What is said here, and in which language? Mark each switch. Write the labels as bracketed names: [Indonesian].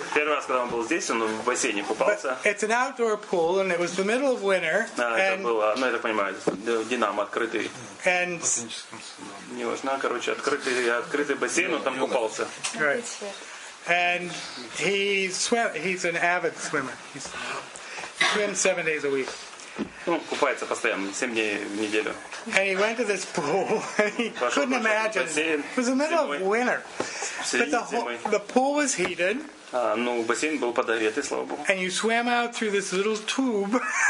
[Russian] Первый раз, когда он был здесь, он в бассейне купался. [English] But it's an outdoor pool, and it was the middle of winter. [Russian] Ну, я так понимаю, Динамо открытый. [English] And [Russian] не важно, короче, открытый бассейн, он там купался. [English] Right. And he's an avid swimmer. He swims 7 days a week. [Russian] Ну, купается постоянно, 7 дней в неделю. [English] And he went to this pool, and he couldn't imagine. It was the middle of winter. the pool was heated. [Russian] Ну, бассейн был подогретый, слава богу. [English] And you swam out through this little tube.